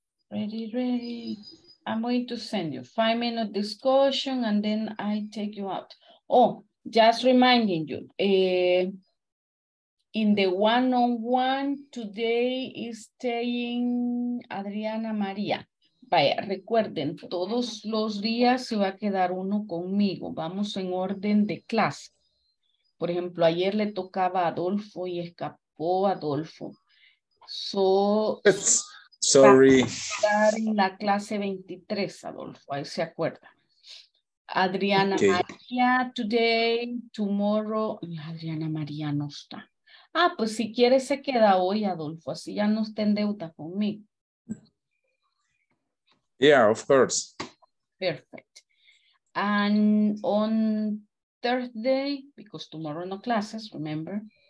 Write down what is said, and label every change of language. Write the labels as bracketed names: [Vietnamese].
[English] Ready. I'm going to send you 5-minute discussion and then I take you out. Oh, just reminding you, in the one-on-one today is staying Adriana Maria. [Spanish] Vaya, recuerden, todos los días se va a quedar uno conmigo. Vamos en orden de clase. Por ejemplo, ayer le tocaba a Adolfo y escapó Adolfo. [English] So, sorry. [Spanish] Estar en la clase 23, Adolfo, ahí se acuerda. [English] Adriana María, today, tomorrow. [Spanish] Adriana María no está. Ah, pues si quiere se queda hoy, Adolfo, así ya no está en deuda conmigo. [English] Yeah, of course. Perfect. And on Thursday, because tomorrow no classes, remember.